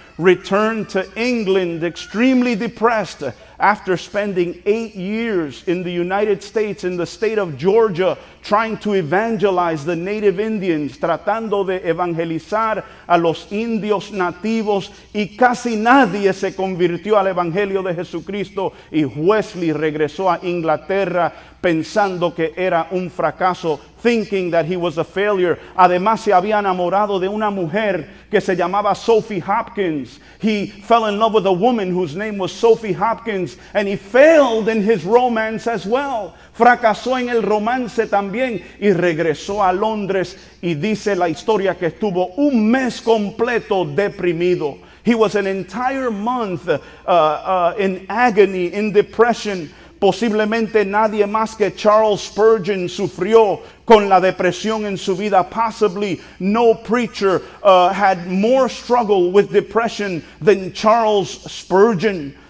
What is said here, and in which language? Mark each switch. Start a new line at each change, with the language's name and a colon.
English: returned to England extremely depressed after spending 8 years in the United States, in the state of Georgia, trying to evangelize the native Indians,
Spanish: tratando de evangelizar a los indios nativos, y casi nadie se convirtió al evangelio de Jesucristo, y Wesley regresó a Inglaterra pensando que era un fracaso,
English: thinking that he was a failure.
Spanish: Además, se había enamorado de una mujer que se llamaba Sophie Hopkins.
English: He fell in love with a woman whose name was Sophie Hopkins, and he failed in his romance as well.
Spanish: Fracasó en el romance también y regresó a Londres, y dice la historia que estuvo un mes completo deprimido.
English: He was an entire month in agony, in depression.
Spanish: Posiblemente nadie más que Charles Spurgeon sufrió con la depresión en su vida.
English: Possibly no preacher had more struggle with depression than Charles Spurgeon.